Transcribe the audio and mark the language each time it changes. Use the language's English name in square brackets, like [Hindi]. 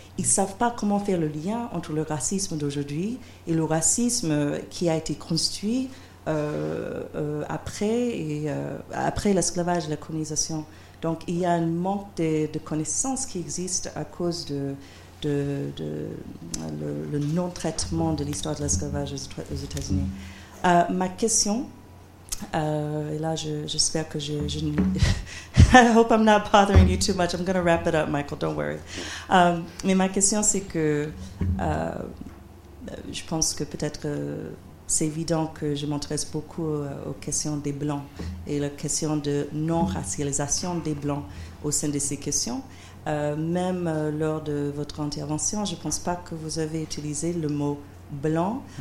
[French] Ils ne savent pas comment faire le lien entre le racisme d'aujourd'hui et le racisme qui a été construit après l'esclavage et la colonisation. Donc il y a un manque de connaissances qui existe à cause de le non-traitement de l'histoire de l'esclavage aux États-Unis. Ma question, et là j'espère que je ne... [English] I hope I'm not bothering you too much. I'm going to wrap it up, Michael. Don't worry. [French] Mais ma question, c'est que je pense que peut-être c'est évident que je m'intéresse beaucoup aux questions des Blancs et la question de non-racialisation des Blancs au sein de ces questions. Même lors de votre intervention, je ne pense pas que vous avez utilisé le mot blanc.